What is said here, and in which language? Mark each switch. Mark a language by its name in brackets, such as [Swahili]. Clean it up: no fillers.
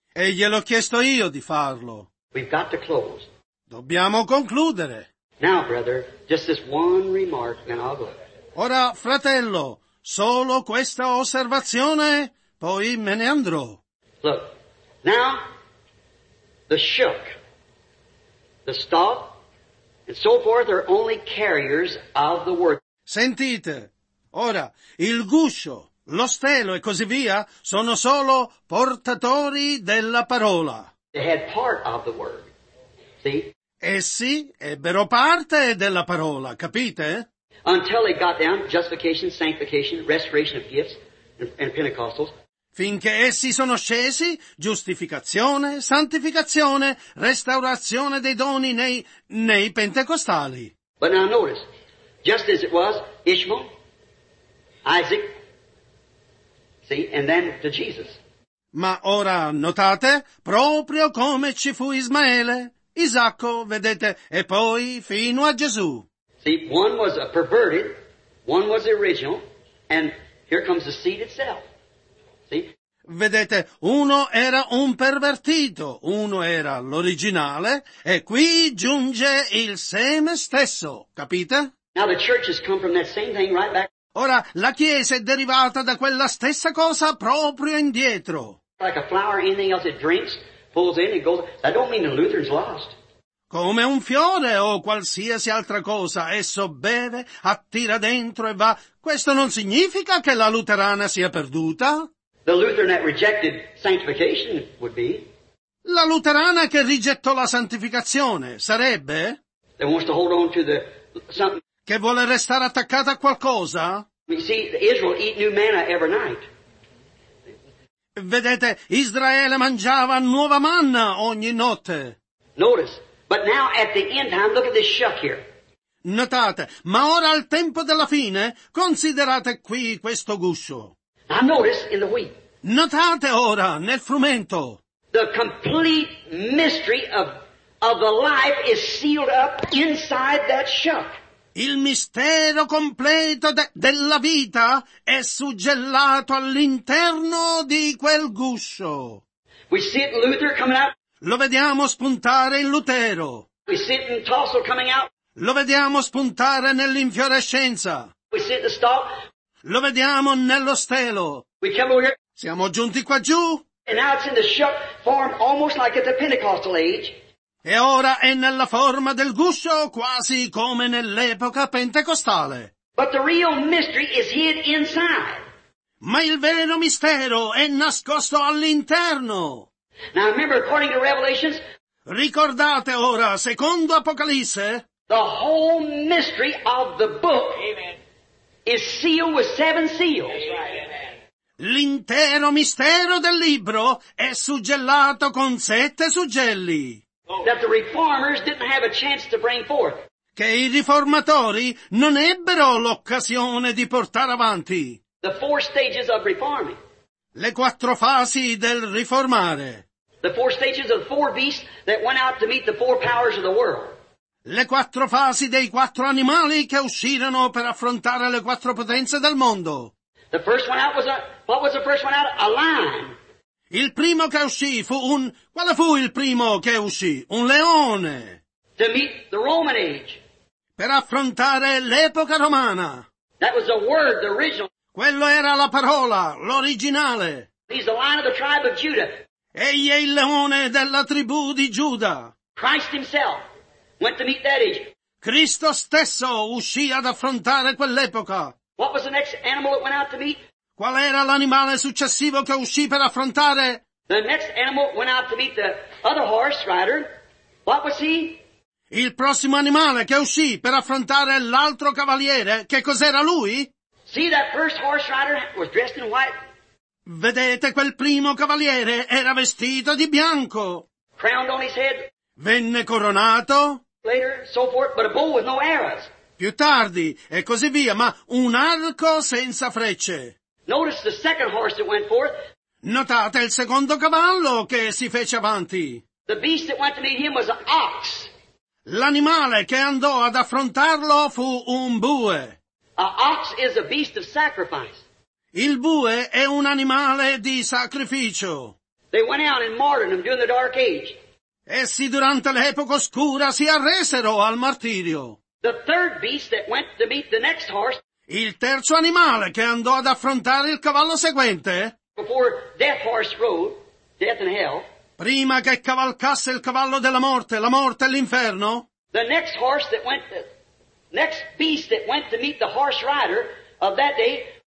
[Italian] E gliel'ho chiesto io di farlo. [English] We've got to close. [Italian] Dobbiamo concludere. [English] Now, brother, just this one remark, and I'll go. [Italian] Ora, fratello, solo questa osservazione, poi me ne andrò. [English] Look, now, the shook, the stalk, and so forth are only carriers of the word. [Italian] Sentite, ora, il guscio, lo stelo e così via sono solo portatori della parola. [English] They had part of the word. See? [Italian] Essi ebbero parte della parola, capite? [English] Until it got down, justification, sanctification, restoration of gifts, and Pentecostals. [Italian] Finché essi sono scesi, giustificazione, santificazione, restaurazione dei doni nei pentecostali. [English] But now notice, just as it was Ishmael, Isaac, see, and then to Jesus. [Italian] Ma ora notate, proprio come ci fu Ismaele, Isacco, vedete, e poi fino a Gesù. [English] See, one was a perverted, one was original, and here comes the seed itself. See? [Italian] Vedete, uno era un pervertito, uno era l'originale, e qui giunge il seme stesso, capite? [English] Now the church has come from that same thing right back. [Italian] Ora, la Chiesa è derivata da quella stessa cosa proprio indietro. [English] Like a flower, anything else it drinks. Pulls in and goes. I don't mean the Lutheran's lost. [Italian] Come un fiore o qualsiasi altra cosa, esso beve, attira dentro e va. Questo non significa che la luterana sia perduta. [English] The Lutheran that rejected sanctification would be. [Italian] La luterana che rigettò la santificazione sarebbe. [English] That wants to hold on to the something. [Italian] Che vuole restare attaccata a qualcosa. [English] You see, Israel eat new manna every night. [Italian] Vedete, Israele mangiava nuova manna ogni notte. [English] Notice, but now at the end time, look at this shuck here. [Italian] Notate, ma ora al tempo della fine, considerate qui questo guscio. [English] Now notice in the wheat. [Italian] Notate ora nel frumento. [English] The complete mystery of the life is sealed up inside that shuck. [Italian] Il mistero completo della vita è suggellato all'interno di quel guscio. [English] We see it in Luther coming out. [Italian] Lo vediamo spuntare in Lutero. [English] We see it in Tossel coming out. [Italian] Lo vediamo spuntare nell'infiorescenza. [English] We see it in the stalk. [Italian] Lo vediamo nello stelo. [English] We come over here. [Italian] Siamo giunti qua giù. [English] And now it's in the shuck form almost like at the Pentecostal age. [Italian] E ora è nella forma del guscio, quasi come nell'epoca pentecostale. [English] But the real mystery is hid inside. [Italian] Ma il vero mistero è nascosto all'interno. [English] Now remember, according to Revelations, [Italian] ricordate ora, secondo Apocalisse, [English] the whole mystery of the book, amen, is sealed with seven seals. [Italian] L'intero mistero del libro è suggellato con sette suggelli. [English] That the reformers didn't have a chance to bring forth. [Italian] Che i riformatori non ebbero l'occasione di portare avanti. [English] The four stages of reforming. [Italian] Le quattro fasi del riformare. [English] The four stages of the four beasts that went out to meet the four powers of the world. [Italian] Le quattro fasi dei quattro animali che uscirono per affrontare le quattro potenze del mondo. [English] The first one out was a, what was the first one out? A lion. [Italian] Il primo che uscì fu un... Quale fu il primo che uscì? Un leone! [English] To meet the Roman age. [Italian] Per affrontare l'epoca romana. [English] That was the word, the original. [Italian] Quello era la parola, l'originale. [English] He's the lion of the tribe of Judah. [Italian] Egli è il leone della tribù di Giuda. [English] Christ himself went to meet that age. [Italian] Cristo stesso uscì ad affrontare quell'epoca. [English] What was the next animal that went out to meet? [Italian] Qual era l'animale successivo che uscì per affrontare? [English] The next animal went out to meet the other horse rider. What was he? [Italian] Il prossimo animale che uscì per affrontare l'altro cavaliere, che cos'era lui? [English] See, that first horse rider was dressed in white. [Italian] Vedete, quel primo cavaliere era vestito di bianco. [English] Crowned on his head. [Italian] Venne coronato. [English] Later, so forth, but a bow with no arrows. [Italian] Più tardi, e così via, ma un arco senza frecce. [English] Notice the second horse that went forth. [Italian] Notate il secondo cavallo che si fece avanti. [English] The beast that went to meet him was an ox. [Italian] L'animale che andò ad affrontarlo fu un bue. [English] An ox is a beast of sacrifice. [Italian] Il bue è un animale di sacrificio. [English] They went out and martyred him during the dark age. [Italian] Essi durante l'epoca oscura si arresero al martirio. [English] The third beast that went to meet the next horse. [Italian] Il terzo animale che andò ad affrontare il cavallo seguente. [English] Before death horse rode, death and hell. [Italian] Prima che cavalcasse il cavallo della morte, la morte e l'inferno. [English] The next horse that went, the next beast that went to meet the horse rider of that day.